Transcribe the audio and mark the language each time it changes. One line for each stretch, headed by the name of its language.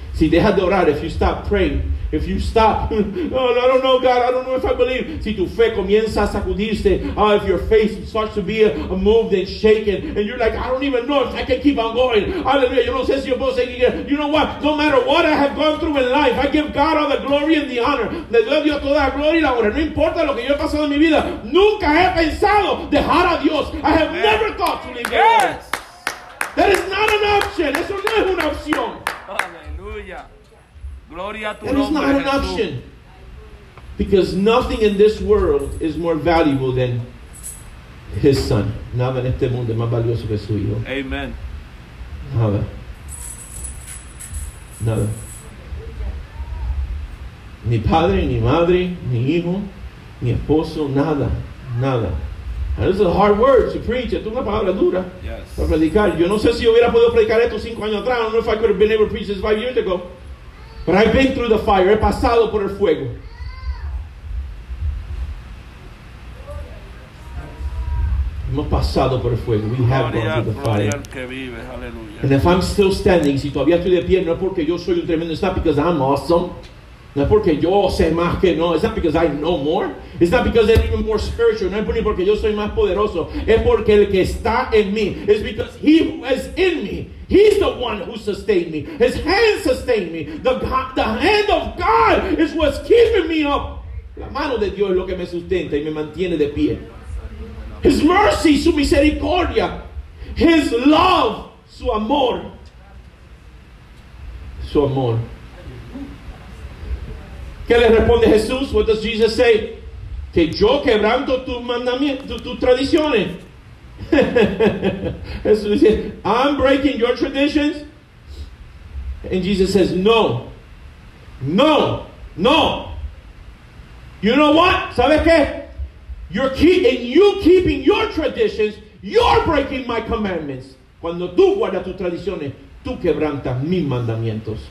Spanish: Si dejas de orar,
English: if you stop praying, if you stop, oh, I don't know, God, I don't know if I believe.
Spanish: Si tu fe comienza a sacudirse,
English: oh, if your faith starts to be a moved and shaken, and you're like, I don't even know if I can keep on going. Hallelujah.
Spanish: Yo no sé si yo puedo seguir.
English: You know what? No matter what I have gone through in life, I give God all the glory and the honor.
Spanish: Le doy a Dios toda la gloria y la honra. No importa lo que yo he pasado en mi vida. Nunca he pensado dejar a Dios.
English: I have never thought to leave God. Yes. That is not an option.
Spanish: Eso no es una opción.
English: That is not an option. Because nothing in this world is more valuable than his son.
Spanish: Nada en este mundo es más valioso que su hijo. Amen. Nada. Nada. Ni padre, ni madre, ni hijo, ni esposo, nada. Nada.
English: And this is a hard word to preach.
Spanish: Es una palabra dura.
English: Yes.
Spanish: Para predicar. Yo no sé si hubiera podido predicar esto 5 años atrás.
English: I don't know if I could have been able to preach this 5 years ago. But I've been through the fire.
Spanish: He pasado por el fuego. Hemos pasado por el fuego.
English: We have gone through the fire. And if I'm still standing,
Spanish: si todavía estoy de pie, no es porque yo soy un tremendo.
English: It's not because I'm awesome.
Spanish: No es porque yo sé más que no.
English: It's not because I know more. It's not because I'm even more spiritual.
Spanish: No es porque yo soy más poderoso. Es porque el que está en mí.
English: It's because he who is in me. He's the one who sustained me. His hand sustained me. The hand of God is what's keeping me up.
Spanish: La mano de Dios es lo que me sustenta y me mantiene de pie.
English: His mercy,
Spanish: su misericordia.
English: His love,
Spanish: su amor. Su amor. ¿Qué le responde Jesús?
English: What does Jesus say?
Spanish: Que yo quebranto tus mandamientos, tus tradiciones. Jesús dice,
English: I'm breaking your traditions. And Jesus says, no. No. No. You know what?
Spanish: ¿Sabes qué?
English: You keeping your traditions, you're breaking my commandments.
Spanish: Cuando tú guardas tus tradiciones, tú quebrantas mis mandamientos.